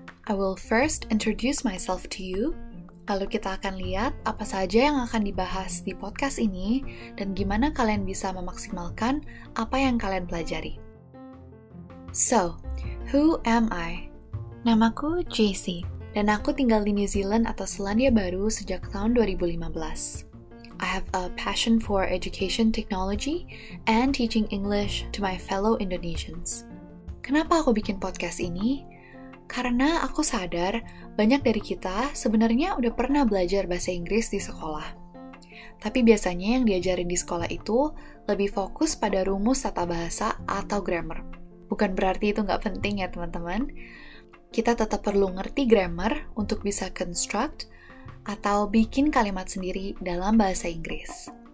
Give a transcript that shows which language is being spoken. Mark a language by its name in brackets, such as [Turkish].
[English] I will first introduce myself to you, [Indonesian] lalu kita akan lihat apa saja yang akan dibahas di podcast ini dan gimana kalian bisa memaksimalkan apa yang kalian pelajari. [English] So, who am I? [Indonesian] Namaku JC, dan aku tinggal di New Zealand atau Selandia Baru sejak tahun 2015. [English] I have a passion for education technology and teaching English to my fellow Indonesians. [Indonesian] Kenapa aku bikin podcast ini? Karena aku sadar banyak dari kita sebenarnya udah pernah belajar bahasa Inggris di sekolah. Tapi biasanya yang diajarin di sekolah itu lebih fokus pada rumus tata bahasa atau grammar. Bukan berarti itu nggak penting ya teman-teman. Kita tetap perlu ngerti grammar untuk bisa construct atau bikin kalimat sendiri dalam bahasa Inggris.